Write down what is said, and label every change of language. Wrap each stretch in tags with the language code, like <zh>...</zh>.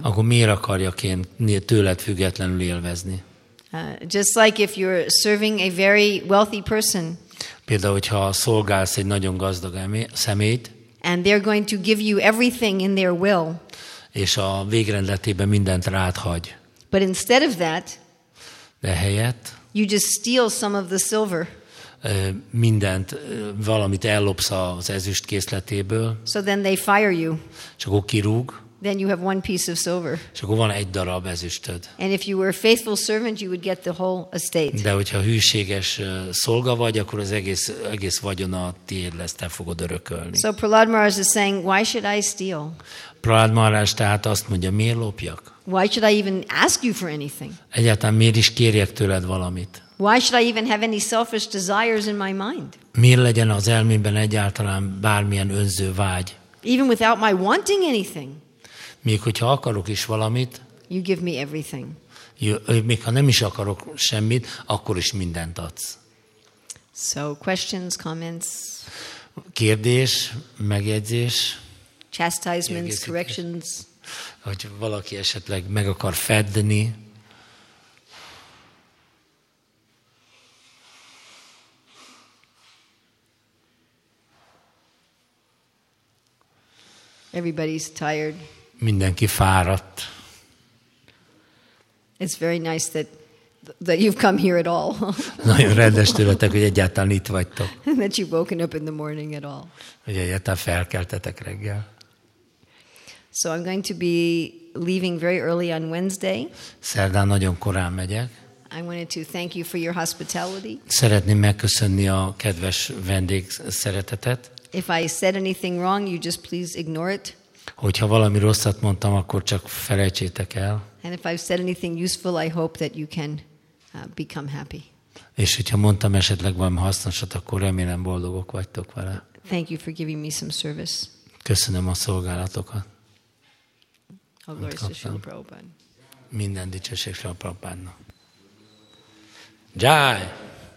<hu>Akkor miért akarjak én tőled függetlenül élvezni?</hu> <en>Just like if you're serving a very wealthy person.</en> <hu>Például, hogyha szolgálsz egy nagyon gazdag szemét.</hu> <en>And they're going to give you everything in their will.</en> <hu>És a végrendletében mindent rád hagy.</hu> <en>But instead of that.</en> <hu>De helyett.</hu> <en>You just steal some of the silver.</en> <hu>Mindent, valamit ellopsz az ezüst készletéből.</hu> <en>So then they fire you.</en> <hu>És akkor kirúg.</hu> <en>Then you have one piece of silver.</en> <hu>És akkor van egy darab ezüstöd.</hu> <en>And if you were a faithful servant, you would get the whole estate.</en> <hu>De hogyha hűséges szolga vagy, akkor az egész vagyona tiéd lesz, te fogod örökölni.</hu> <en>So Prahlad Maharaj is saying, why should I steal?</en> <hu>Prahlad Maharaj tehát azt mondja, miért lopjak?</hu> <en>Why should I even ask you for anything?</en> <hu>Egyáltalán miért is kérjek tőled valamit?</hu> <en>Why should I even have any selfish desires in my mind?</en> <hu>Miért legyen az elmémben egyáltalán bármilyen önző vágy?</hu> <en>Even without my wanting anything.</en> <hu>Még hogyha akarok is valamit.</hu> <en>You give me everything.</en> <hu>Még ha nem is akarok semmit, akkor is mindent adsz.</hu> <en>So questions, comments.</en> <hu>Kérdés, megjegyzés.</hu> <en>Chastisements, corrections.</en> <hu>Hogy valaki esetleg meg akar fedni.</hu> <en>Everybody's tired.</en> <hu>Mindenki fáradt.</hu> <en>It's very nice that you've come here at all.</en> <hu>Nagyon rendes tőletek, hogy egyáltalán itt vagytok.</hu> <en>That you've woken up in the morning at all.</en> <hu>Hogy egyáltalán felkeltetek reggel.</hu> <en>So I'm going to be leaving very early on Wednesday.</en> <hu>Szerdán nagyon korán megyek.</hu> <en>I wanted to thank you for your hospitality.</en> <hu>Szeretném megköszönni a kedves vendég szeretetet.</hu> <en>If I said anything wrong, you just please ignore it.</en> <hu>Hogyha valami rosszat mondtam, akkor csak felejtsétek el.</hu> <en>And if I've said anything useful, I hope that you can become happy.</en> <hu>És hogyha mondtam esetleg valami hasznosat, akkor remélem boldogok vagytok vele.</hu> <en>Thank you for giving me some service.</en> <hu>Köszönöm a szolgálatokat.</hu> <en>All glory to Srila Prabhupada.</en> <hu>Minden dicsőség Srila Prabhupádnak. Jai!</hu>